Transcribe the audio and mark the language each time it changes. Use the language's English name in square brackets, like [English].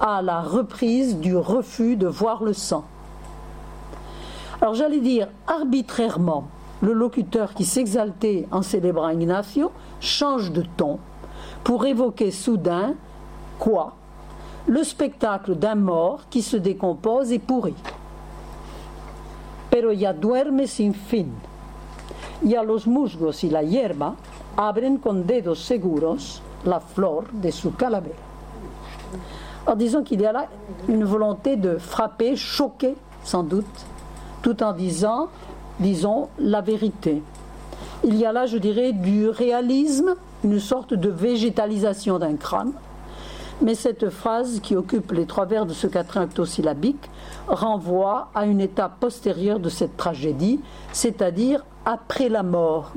[French] À la reprise du refus de voir le sang. Alors j'allais dire, arbitrairement, le locuteur qui s'exaltait en célébrant Ignacio change de ton pour évoquer soudain quoi ? Le spectacle d'un mort qui se décompose et pourrit. [Spanish] Pero ya duerme sin fin. Ya los musgos y la hierba abren con dedos seguros la flor de su calavera. [French] Alors disons qu'il y a là une volonté de frapper, choquer sans doute, tout en disant, disons, la vérité. Il y a là, je dirais, du réalisme, une sorte de végétalisation d'un crâne. Mais cette phrase qui occupe les trois vers de ce quatrain octosyllabique renvoie à une étape postérieure de cette tragédie, c'est-à-dire après la mort.